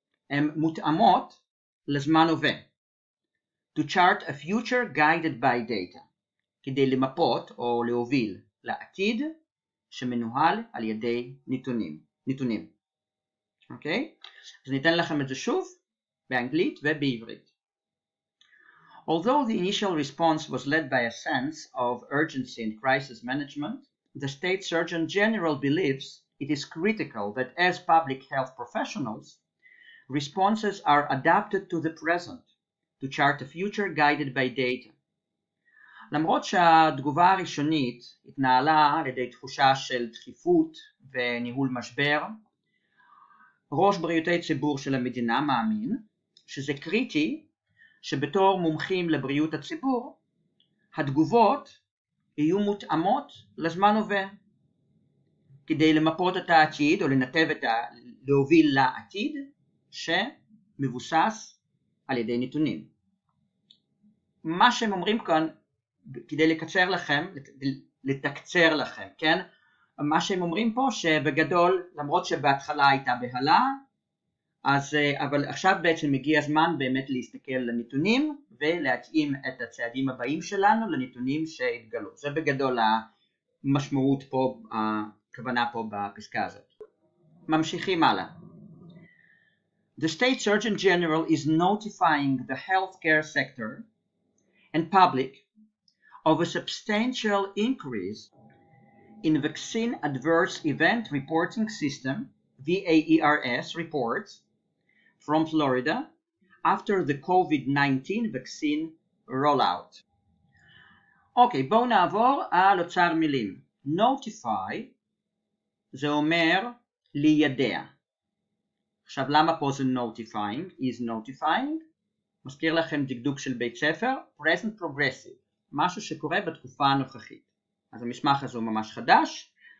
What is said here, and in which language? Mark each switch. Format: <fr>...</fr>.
<he>הן מותאמות לזמן הווה.</he> <en>To chart a future guided by data.</en> <he>כדי למפות או להוביל לעתיד שמנוהל על ידי נתונים. נתונים. Okay? אז ניתן לכם את זה שוב באנגלית ובעברית.</he> <en>Although the initial response was led by a sense of urgency and crisis management, the state surgeon general believes it is critical that as public health professionals, responses are adapted to the present, to chart a future guided by data.</en> <he>למרות שהתגובה הראשונית התנהלה על ידי תחושה של דחיפות וניהול משבר, ראש בריאותי ציבור של המדינה מאמין שזה קריטי שבתור מומחים לבריאות הציבור, התגובות יהיו מותאמות לזמן הווה. כדי למפות את העתיד או לנתב את ה... להוביל לעתיד שמבוסס על ידי נתונים. מה שהם אומרים כאן, כדי לקצר לכם, לתקצר לכם, כן? מה שהם אומרים פה שבגדול, למרות שבהתחלה הייתה בהלה, אז, אבל עכשיו בעצם מגיע הזמן באמת להסתכל לנתונים ולהתאים את הצעדים הבאים שלנו לנתונים שהתגלו. זה בגדול המשמעות פה, הכוונה פה בפסקה הזאת. ממשיכים הלאה.</he> <en>The State Surgeon General is notifying the healthcare sector and public of a substantial increase in vaccine adverse event reporting system, VAERS reports, from Florida after the COVID-19 vaccine rollout.</en> <he>אוקיי, בואו נעבור על אוצר מילים. Notify זה אומר לידע. עכשיו, למה פה זה notifying?</he> <en>Is notifying?</en> <he>מזכיר לכם דקדוק של בית ספר? Present Progressive. משהו שקורה בתקופה הנוכחית. אז המשמח הזה הוא ממש חדש.</he>